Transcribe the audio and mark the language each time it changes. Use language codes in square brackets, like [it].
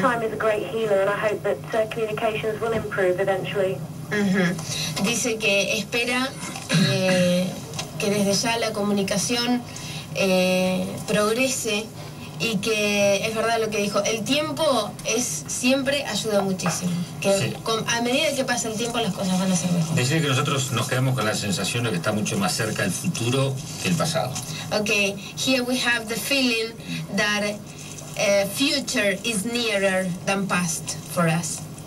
[en] Time is a great healer, and I hope that communications will improve eventually. Mm-hmm. [es] Dice que espera que desde ya la comunicación progrese, y que es verdad lo que dijo, el tiempo es siempre ayuda muchísimo, que sí. A medida que pasa el tiempo las cosas van a ser mejor. Decir que nosotros nos quedamos con la sensación de que está mucho más cerca el futuro que el pasado. [en] Okay, here we have the feeling that future is nearer than past for us.